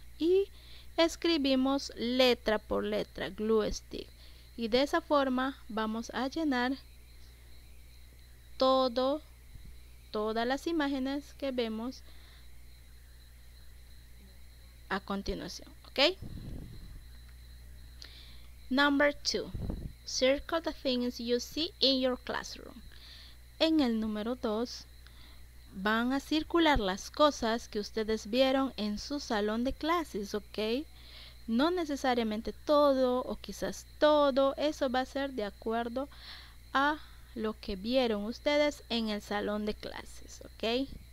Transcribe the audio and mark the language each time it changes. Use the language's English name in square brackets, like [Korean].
[Spanish] Y escribimos letra por letra. [English] Glue stick. [Spanish] Y de esa forma vamos a llenar todas las imágenes que vemos a continuación. ¿Ok? [English] Number 2. Circle the things you see in your classroom. [Spanish] En el número 2 van a circular las cosas que ustedes vieron en su salón de clases, ¿ok? No necesariamente todo o quizás todo, eso va a ser de acuerdo a lo que vieron ustedes en el salón de clases, ¿ok?